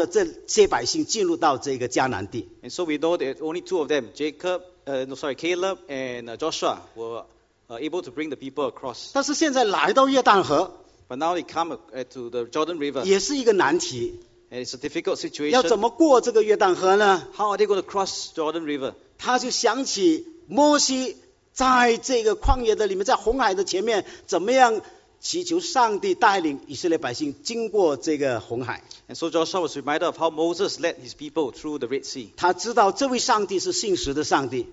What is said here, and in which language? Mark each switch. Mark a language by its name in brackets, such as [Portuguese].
[Chinese] 我们这只剩下迦勒和约书亚能够带着这些百姓进入到这个迦南地。 [English] And so we know that only two of them, Caleb and Joshua, were able to bring the people across. [Chinese] 但是现在来到约旦河, [English] but now they come to the Jordan River. [Chinese] 也是一个难题, [English] and it's a difficult situation. [Chinese] 要怎么过这个约旦河呢? [English] How are they going to cross Jordan River? [Chinese] 他就想起摩西在这个旷野的里面，在红海的前面, 怎么样祈求上帝带领以色列百姓经过这个红海。 [English] And so Joshua was reminded of how Moses led his people through the Red Sea. [Chinese] 他知道这位上帝是信实的上帝。